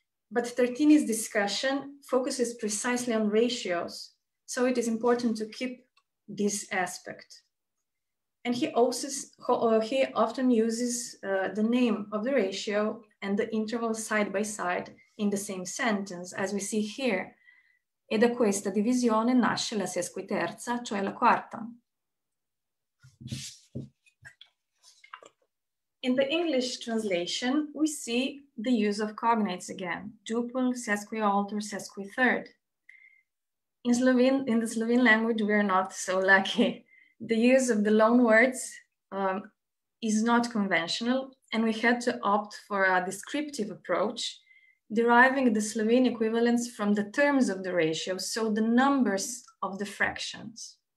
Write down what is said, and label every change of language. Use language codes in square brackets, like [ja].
[en] But Tartini's discussion focuses precisely on ratios, so it is important to keep this aspect. And he often uses the name of the ratio and the interval side by side in the same sentence, as we see here. [it] E da questa divisione nasce la sesquiterza, cioè la quarta. [en] In the English translation, we see the use of cognates again, duple, sesquialter, sesquithird. In the Slovene language, we are not so lucky. The use of the loan words is not conventional, and we had to opt for a descriptive approach, deriving the Slovene equivalents from the terms of the ratio, so the numbers of the fractions.